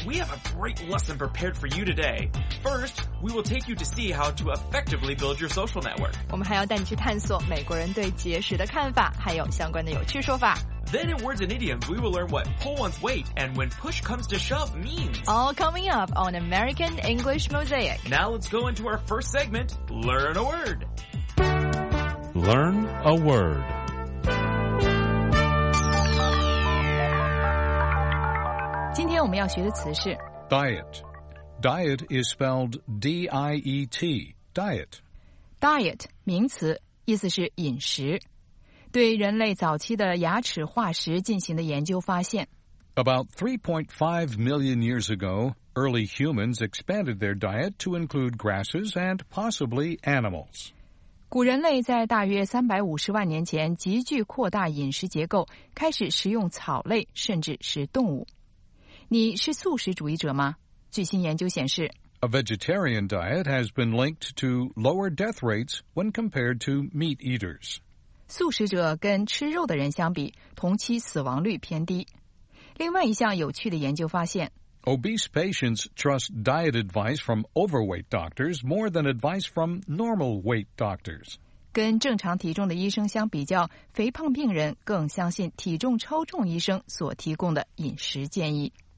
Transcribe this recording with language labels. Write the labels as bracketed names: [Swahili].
[English] We have a great lesson prepared for you today. First, we will take you to see how to effectively build your social network. [Chinese] 我们还要带你去探索美国人对节食的看法，还有相关的有趣说法。 [English] Then in words and idioms, we will learn what pull one's weight and when push comes to shove means. All coming up on American English Mosaic. Now let's go into our first segment, Learn a Word. Learn a Word. Today we're going to learn the word diet. Diet is spelled D-I-E-T, diet. [Chinese] Diet, 名词，意思是饮食。对人类早期的牙齿化石进行的研究发现 [English] About 3.5 million years ago, early humans expanded their diet to include grasses and possibly animals. [Chinese] 古人类在大约350万年前急剧扩大饮食结构，开始食用草类甚至是动物。你是素食主义者吗？最新研究显示 [English] A vegetarian diet has been linked to lower death rates when compared to meat eaters. [Chinese] 素食者跟吃肉的人相比，同期死亡率偏低。另外一项有趣的研究发现 [English] ，Obese patients trust diet advice from overweight doctors more than advice from normal weight doctors。 [Chinese] 跟正常体重的医生相比较，肥胖病人更相信体重超重医生所提供的饮食建议。